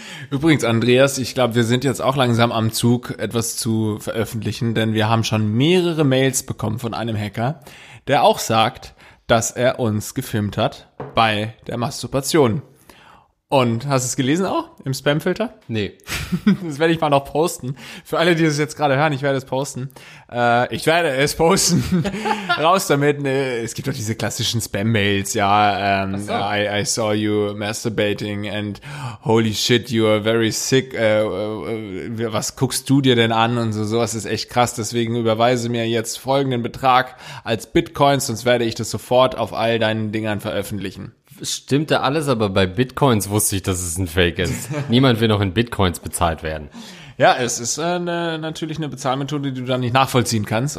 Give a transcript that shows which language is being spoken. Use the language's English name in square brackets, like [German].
[German] Übrigens, Andreas, ich glaube, wir sind jetzt auch langsam am Zug, etwas zu veröffentlichen, denn wir haben schon mehrere Mails bekommen von einem Hacker, der auch sagt, dass er uns gefilmt hat bei der Masturbation. Und hast du es gelesen auch im Spamfilter? Nee. Das werde ich mal noch posten. Für alle, die es jetzt gerade hören, ich werde es posten. Ich werde es posten. Raus damit. Ne? Es gibt doch diese klassischen Spam-Mails. [English] Ja, I saw you masturbating and holy shit, you are very sick. [German] Was guckst du dir denn an? Und so, sowas ist echt krass. Deswegen überweise mir jetzt folgenden Betrag als Bitcoins, sonst werde ich das sofort auf all deinen Dingern veröffentlichen. Stimmt da alles, aber bei Bitcoins wusste ich, dass es ein Fake ist. Niemand will noch in Bitcoins bezahlt werden. Ja, es ist natürlich eine Bezahlmethode, die du dann nicht nachvollziehen kannst.